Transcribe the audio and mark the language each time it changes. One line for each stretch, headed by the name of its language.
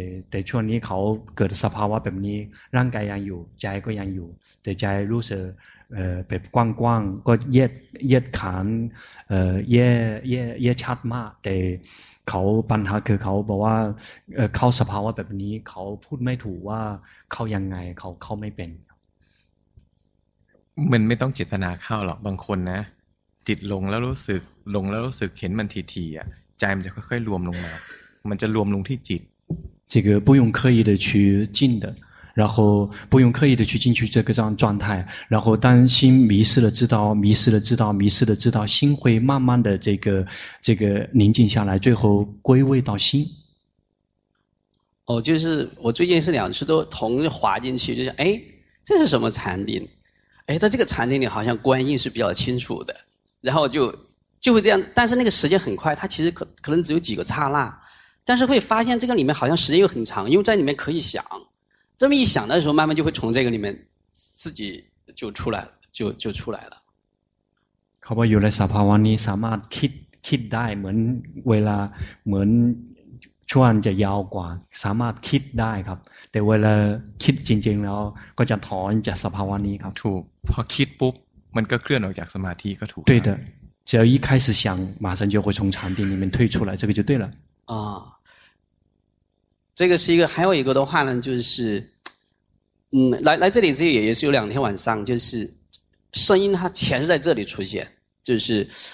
Thai: แต่ช่วงนี้เขาเกิดสภาวะแบบนี้ร่างกายยังอยู่ใจก็ยังอยู่แต่ใจรู้สึกแบบกว้างๆก็เย็ดขานเย็ดชัดมากแต่เขาปัญหาคือเขาบอกว่าเข้าสภาวะแบบนี้เขาพูดไม่ถูกว่าเข้ายังไงเขาไม่เป็น มันไม่ต้องเจตนาเข้าหรอกบางคนนะจิตลงแล้วรู้สึกเห็นมันทีๆอ่ะใจมันจะค่อยๆรวมลงมามันจะรวมลงที่จิต
Chinese: 这个不用刻意的去进的然后不用刻意的去进去这个这样状态然后当心迷失了知道迷失了知道迷失了知道心会慢慢的这个宁静下来最后归位到心哦就是我最近是两次都同时滑进去就是哎这是什么禅定哎，在这个禅定里好像观音是比较清楚的然后就会这样但是那个时间很快它其实可能只有几个刹那但是会发现这个里面好像时间又很长因为在里面可以想这么一想的时候慢慢就会从这个里面自己就出来了就出来了
Thai: เขาบอกอยู่ในสภาวะนี้สามารถคิดได้เหมือนช่วงจะยาวกว่าสามารถคิดได้ครับแต่เวลาคิดจริงๆแล้วก็จะถอนจากสภาวะนี้ครับ ถูกพอคิดปุ๊บมันก็เคลื่อนออกจากสมาธิก็ถูก
Chinese: 对的只要一开始想马上就会从禅定里面退出来这个就对了啊这个是一个还有一个的话呢就是来这里自己也是有两天晚上就是声音它全是在这里出现就是